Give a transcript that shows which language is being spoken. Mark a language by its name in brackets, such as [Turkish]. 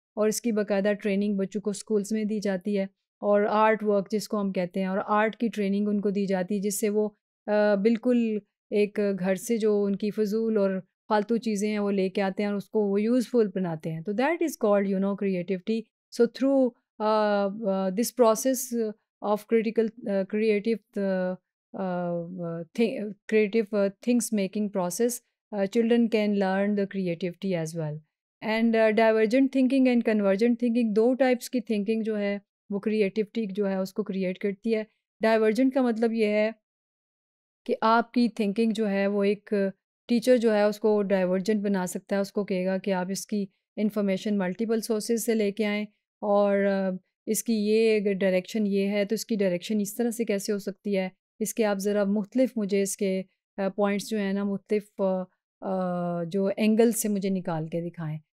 [Urdu] اور اس کی باقاعدہ ٹریننگ بچوں کو اسکولس میں دی جاتی ہے, اور آرٹ ورک جس کو ہم کہتے ہیں, اور آرٹ کی ٹریننگ ان کو دی جاتی ہے, جس سے وہ بالکل ایک گھر سے جو ان کی فضول اور فالتو چیزیں ہیں وہ لے کے آتے ہیں اور اس کو وہ یوزفل بناتے ہیں. تو [English] that is called, you know, [Urdu] creativity. [English] So through this process of critical creative things making process, children can learn the creativity as well. And divergent thinking and convergent thinking, [Urdu] do types کی thinking جو ہے وہ creativity جو ہے اس کو create کرتی ہے. Divergent کا مطلب یہ ہے کہ آپ کی تھنکنگ جو ہے وہ ایک ٹیچر جو ہے اس کو ڈائیورجنٹ بنا سکتا ہے, اس کو کہے گا کہ آپ اس کی انفارمیشن ملٹیپل سورسز سے لے کے آئیں اور اس کی یہ ڈائریکشن یہ ہے, تو اس کی ڈائریکشن اس طرح سے کیسے ہو سکتی ہے, اس کے آپ ذرا مختلف مجھے اس کے پوائنٹس جو ہیں نا مختلف جو اینگل سے مجھے نکال کے دکھائیں.